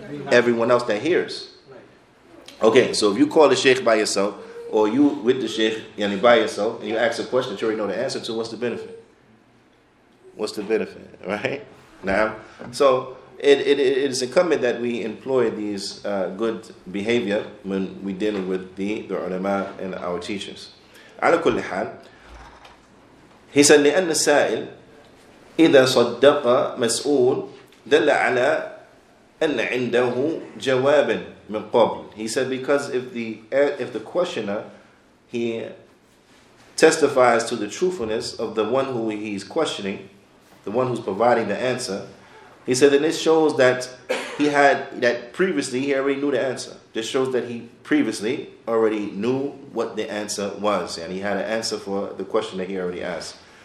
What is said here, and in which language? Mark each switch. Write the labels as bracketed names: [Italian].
[English] Everyone else that hears. Okay, so if you call the sheikh by yourself, or you with the sheikh yani by yourself, and you ask a question that you already know the answer to, what's the benefit? What's the benefit, right? Now, so it is incumbent that we employ these good behavior when we dealing with the ulama and our teachers. [Arabic] على كل حال, [English] he said, [Arabic] لأن السائل إذا صدق مسؤول دل على أن عنده جوابا من قبل. [English] He said, because if the questioner, he testifies to the truthfulness of the one who he's questioning, the one who's providing the answer, he said, then this shows that previously he already knew the answer. This shows that he previously already knew what the answer was, and he had an answer for the question that he already asked.